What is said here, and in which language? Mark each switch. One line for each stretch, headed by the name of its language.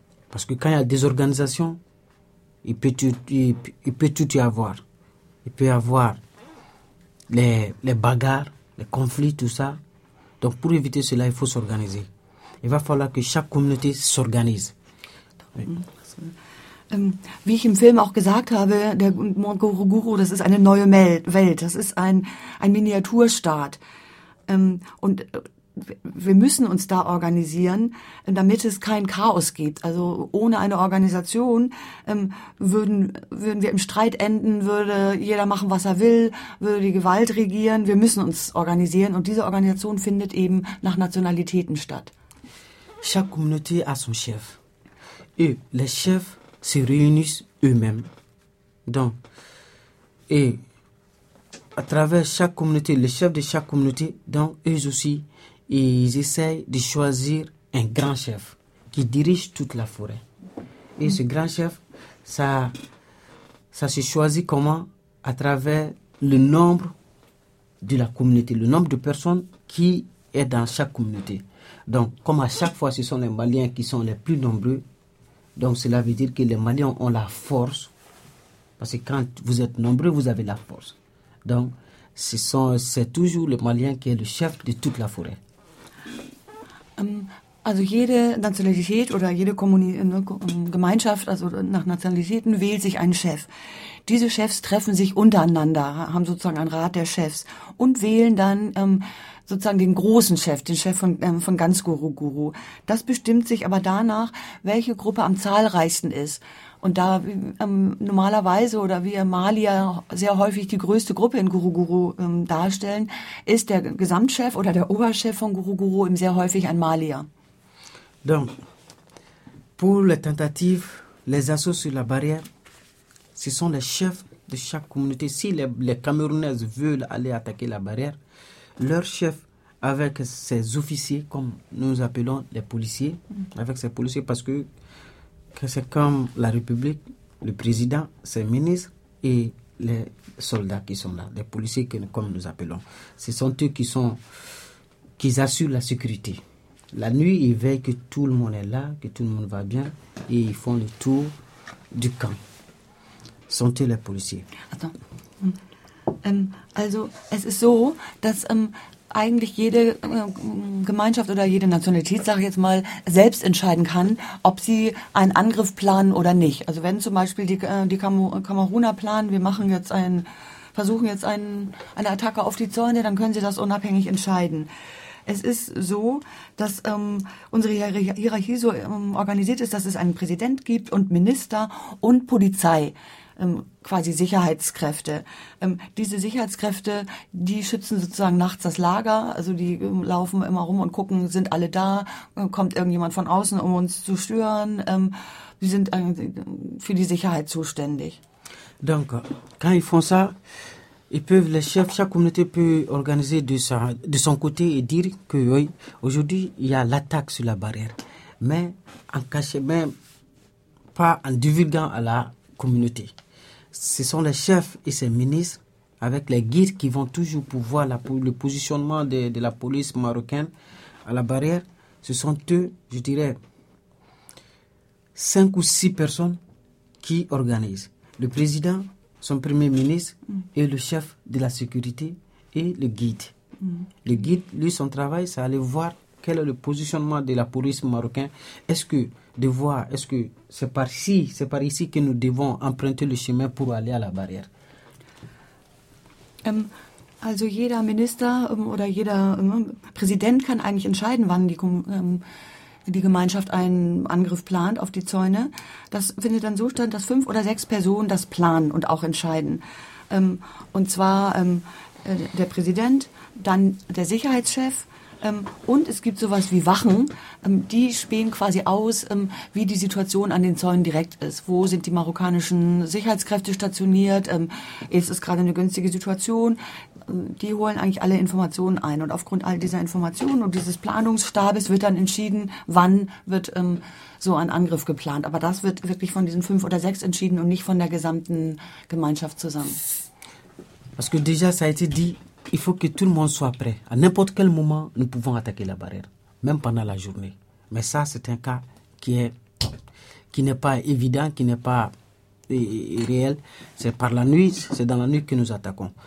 French: Parce que quand il y a désorganisation, il peut tout y avoir. Il peut y avoir les bagarres, les conflits, tout ça. Donc, pour éviter cela, il faut s'organiser. Il va falloir que chaque communauté s'organise.
German: Wie ich im Film auch gesagt habe, der Gurugu, das ist eine neue Welt, das ist ein Miniaturstaat. Und wir müssen uns da organisieren, damit es kein Chaos gibt. Also ohne eine Organisation würden wir im Streit enden, würde jeder machen, was er will, würde die Gewalt regieren. Wir müssen uns organisieren und diese Organisation findet eben nach Nationalitäten statt.
French: Chaque communauté a son chef. Et les chefs se réunissent eux-mêmes. Donc, et à travers chaque communauté, les chefs de chaque communauté, donc eux aussi, ils essayent de choisir un grand chef qui dirige toute la forêt. Et ce grand chef, ça se choisit comment? À travers le nombre de la communauté, le nombre de personnes qui est dans chaque communauté. Donc, comme à chaque fois, ce sont les Maliens qui sont les plus nombreux. Donc cela veut dire que les Maliens ont la force, parce que quand vous êtes nombreux, vous avez la force. Donc c'est toujours le Malien qui est le chef de toute la forêt.
German: Also jede Nationalität oder jede Gemeinschaft, also nach Nationalitäten, wählt sich einen Chef. Diese Chefs treffen sich untereinander, haben sozusagen einen Rat der Chefs und wählen dann sozusagen den großen Chef, den Chef von ganz Guru. Das bestimmt sich aber danach, welche Gruppe am zahlreichsten ist. Und da normalerweise oder wir Malier sehr häufig die größte Gruppe in Guruguru darstellen, ist der Gesamtchef oder der Oberchef von Guruguru eben sehr häufig ein Malier.
French: Donc, pour les tentatives, les assauts sur la barrière, ce sont les chefs de chaque communauté. Si les Camerounaises veulent aller attaquer la barrière, leur chef avec ses officiers, comme nous appelons les policiers, avec ses policiers, parce que c'est comme la République, le président, ses ministres et les soldats qui sont là, les policiers comme nous appelons. Ce sont eux qui assurent la sécurité. La nuit, ils veillent que tout le monde est là, que tout le monde va bien, et ils font le tour du camp. Sentez les policiers. Attends.
German: Also, es ist so, dass eigentlich jede Gemeinschaft oder jede Nationalität, sage ich jetzt mal, selbst entscheiden kann, ob sie einen Angriff planen oder nicht. Also wenn zum Beispiel die Kameruner planen, wir machen jetzt versuchen jetzt eine Attacke auf die Zäune, dann können sie das unabhängig entscheiden. Es ist so, dass unsere Hierarchie so organisiert ist, dass es einen Präsident gibt und Minister und Polizei, quasi Sicherheitskräfte. Diese Sicherheitskräfte, die schützen sozusagen nachts das Lager, also die laufen immer rum und gucken, sind alle da, kommt irgendjemand von außen, um uns zu stören. Die sind für die Sicherheit zuständig.
French: Donc, quand ils font ça, ils peuvent, les chefs, chaque communauté peut organiser de son côté et dire que oui, aujourd'hui, il y a l'attaque sur la barrière, mais en cachet, même pas en divulguant à la communauté. Ce sont les chefs et ses ministres, avec les guides, qui vont toujours pouvoir le positionnement de la police marocaine à la barrière. Ce sont eux, je dirais, 5 ou 6 personnes qui organisent. Le président, son premier ministre et le chef de la sécurité et le guide. Le guide, lui, son travail, c'est aller voir quel est le positionnement de la police marocaine. Est-ce que c'est par ici que nous devons emprunter le chemin pour aller à la barrière?
German: Also jeder Minister oder jeder Präsident kann eigentlich entscheiden, wann die Gemeinschaft einen Angriff plant auf die Zäune. Das findet dann so statt, dass 5 oder 6 Personen das planen und auch entscheiden. Und zwar der Präsident, dann der Sicherheitschef und es gibt sowas wie Wachen. Die spähen quasi aus, wie die Situation an den Zäunen direkt ist. Wo sind die marokkanischen Sicherheitskräfte stationiert? Ist es gerade eine günstige Situation? Die holen eigentlich alle Informationen ein und aufgrund all dieser Informationen und dieses Planungsstabes wird dann entschieden, wann wird so ein Angriff geplant. Aber das wird wirklich von diesen 5 oder 6 entschieden und nicht von der gesamten Gemeinschaft zusammen.
French: Parce que déjà ça a été dit, il faut que tout le monde soit prêt. À n'importe quel moment, nous pouvons attaquer la barrière, même pendant la journée. Mais ça, c'est un cas qui n'est pas évident, qui n'est pas réel, c'est par la nuit, c'est dans la nuit que nous attaquons.